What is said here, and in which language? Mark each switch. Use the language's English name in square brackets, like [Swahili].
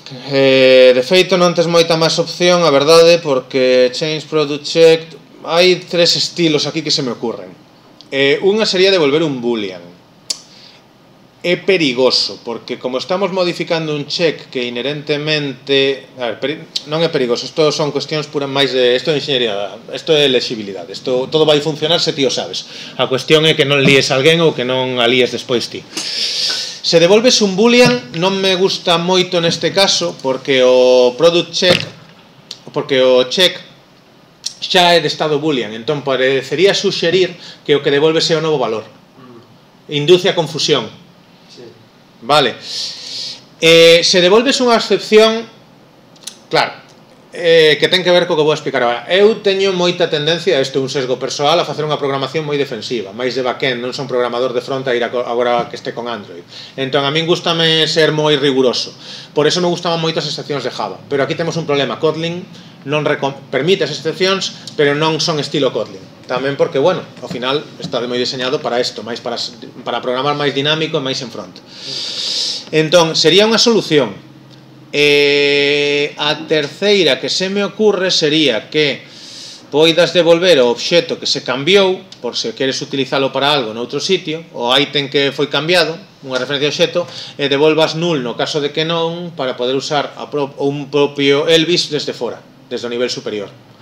[Galician] De feito non tens moita máis opción, a verdade, porque change product check, hai tres estilos aquí que se me ocurren. Unha sería devolver un boolean. É perigoso, porque como estamos modificando un check que inherentemente... A ver, non é perigoso, isto son cuestións pura máis de... Isto é ingeniería, isto é lexibilidade, isto todo vai funcionar se ti o sabes. A cuestión é que non líes alguén ou que non a líes despois ti. Se devolves un boolean, non me gusta moito neste caso, porque o product check, porque o check xa é de estado boolean, entón parecería suxerir que o que devolve sea o novo valor. Induce a confusión. Vale, se devolves unha excepción, claro, que ten que ver co que vou explicar agora. Eu teño moita tendencia, isto é un sesgo personal, a facer unha programación moi defensiva, máis de backend. Non son programador de front a ir agora que este con Android. Entón, a min gustame ser moi riguroso, por eso me gustaban moitas excepcións de Java. Pero aquí temos un problema: Kotlin non permite as excepcións, pero non son estilo Kotlin. [Spanish] también porque, bueno, al final está muy diseñado para esto, más para programar más dinámico y más en front. Entonces, sería una solución. [Galician] A terceira que se me ocurre sería que poidas devolver o objeto que se cambiou, por se queres utilizalo para algo noutro sitio, o item que foi cambiado, unha referencia ao objeto, e devolvas null no caso de que non, para poder usar un propio Elvis desde fora, desde o nivel superior.